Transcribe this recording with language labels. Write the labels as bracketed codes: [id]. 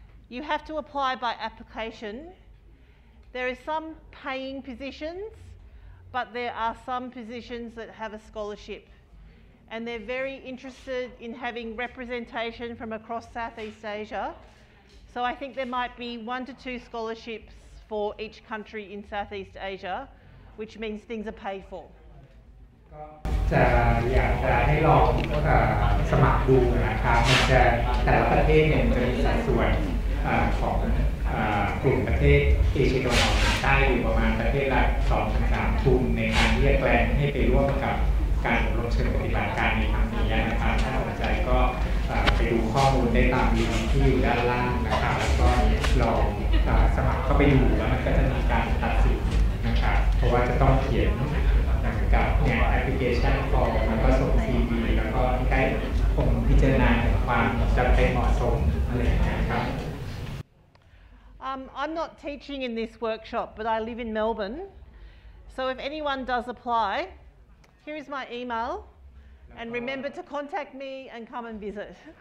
[en] You have to apply by application. There are some paying positions, but there are some positions that have a scholarship. And they're very interested in having representation from across Southeast Asia. So I think there might be 1 to 2 scholarships for each country in Southeast Asia, which means things are paid for. [th] จะอยากจะให้ลองสมัครดูนะครับมันจะแต่ละประเทศเนี่ยมันจะมีสัดส่วนของกลุ่มประเทศเอเชียตะวันออกเฉียงใต้อยู่ประมาณประเทศละ 2-3 กลุ่มในการเรียกแรงให้ไปร่วมกับการอบรมเชิงปฏิบัติการในครั้งนี้นะครับถ้าสนใจก็ ไปดูข้อมูลได้ตามลิงก์ที่อยู่ด้านล่างนะครับแล้วก็ลองสมัครเข้าไปดูแล้วมันก็จะมีการตัดสินนะครับเพราะว่าจะต้องเขียนหนังกับแอปพลิเคชันฟอร์มแล้วก็ส่ง CV แล้วก็ใกล้ผมพิจารณาความจำเป็นเหมาะสมอะไรนะครับ [en] I'm not teaching in this workshop, but I live in Melbourne. So if anyone does apply, here is my email. And remember to contact me and come and visit.